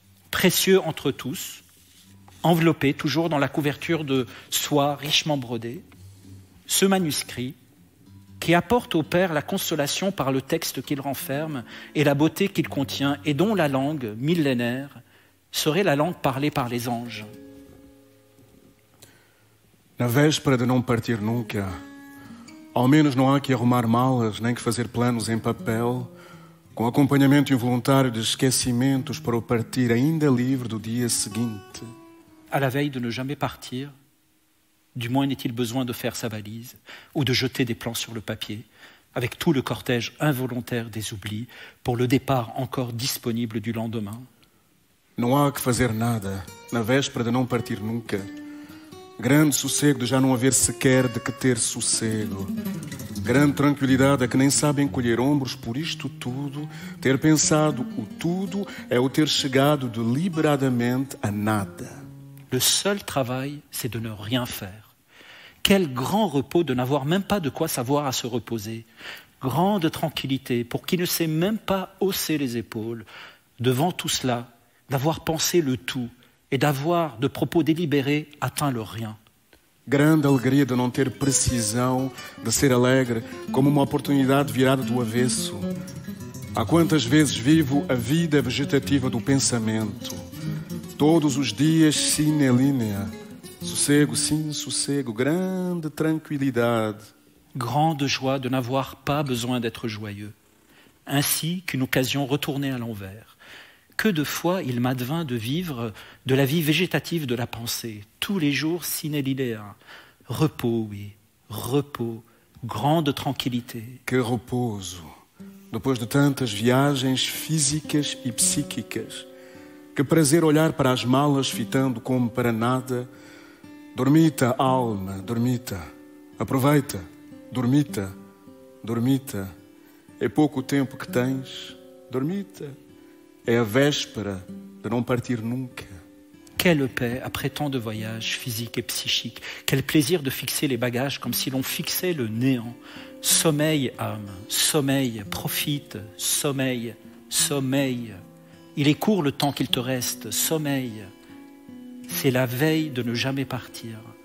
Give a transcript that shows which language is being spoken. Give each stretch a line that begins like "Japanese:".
French: précieux entre tous, enveloppé toujours dans la couverture de soie richement brodée, ce manuscrit qui apporte au père la consolation par le texte qu'il renferme et la beauté qu'il contient et dont la langue millénaire serait la langue parlée par les anges.
Portuguese: Na véspera de não partir nunca, ao menos não há que arrumar malas nem que fazer planos em papel, com acompanhamento involuntário de esquecimentos para o partir ainda livre do dia seguinte.
French: À la veille de ne jamais partir, du moins n'est-il besoin de faire sa valise ou de jeter des plans sur le papier, avec tout le cortège involontaire des oublis pour le départ encore disponible du lendemain.
Portuguese: Não há que fazer nada na véspera de não partir nunca. Grande sossego de já não haver sequer de que ter sossego. Grande tranquilidade a que nem sabem colher ombros por isto tudo. Ter pensado o tudo é o ter chegado deliberadamente a nada.
French: Le seul travail, c'est de ne rien faire. Quel grand repos de n'avoir même pas de quoi savoir à se reposer. Grande tranquillité pour qui ne sait même pas hausser les épaules. Devant tout cela, d'avoir pensé le tout et d'avoir, de propos délibérés, atteint le rien.
Portuguese: Grande alegria de não ter precisão, de ser alegre, como uma oportunidade virada do avesso. Há quantas vezes vivo a vida vegetativa do pensamento. Todos os dias, sine linea. Sossego, sim, sossego. Grande tranquilidade.
French: Grande joie de n'avoir pas besoin d'être joyeux. Ainsi qu'une occasion retournée à l'envers. Que de fois il m'advint de vivre de la vie végétative de la pensée, tous les jours sine linea. Repos, oui, repos, grande tranquillité.
Portuguese: Que reposo, depois de tantas viagens físicas e psíquicas. Que prazer olhar para as malas fitando como para nada. Dormita, alma, dormita. Aproveita, dormita, dormita. É pouco o tempo que tens, dormita.
French: Et
Portuguese: à véspera de non partir nunca.
French: Quelle paix après tant de voyages physiques et psychiques. Quel plaisir de fixer les bagages comme si l'on fixait le néant. Sommeil, âme, sommeil, profite, sommeil, sommeil. Il est court le temps qu'il te reste, sommeil. C'est la veille de ne jamais partir.